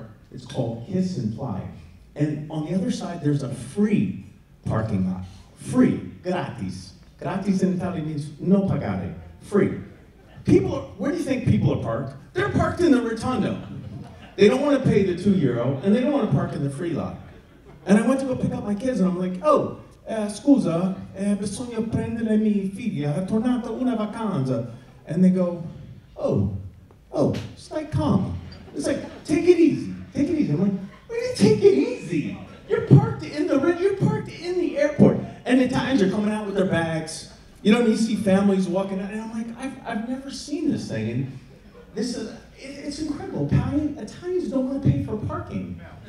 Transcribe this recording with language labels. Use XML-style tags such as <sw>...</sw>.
<en>It's called Kiss and Fly. And on the other side, there's a free parking lot. Free. Gratis. Gratis in Italian means</en> <it>no pagare.</it> <en>Free. Where do you think people are parked? They're parked in the rotunda. They don't want to pay the €2, and they don't want to park in the free lot. And I went to go pick up my kids, and I'm like, oh,</en> <it>scusa, bisogna prendere mia figlia, è tornata una vacanza.</it> <en>And they go, oh, stay calm. It's like, take it easy. I'm like, what do you take it easy? You're parked in the airport. And Italians are coming out with their bags. You know, and you see families walking out, and I'm like, I've never seen this thing. And this is, it's incredible. Italians don't want to pay for parking.</en>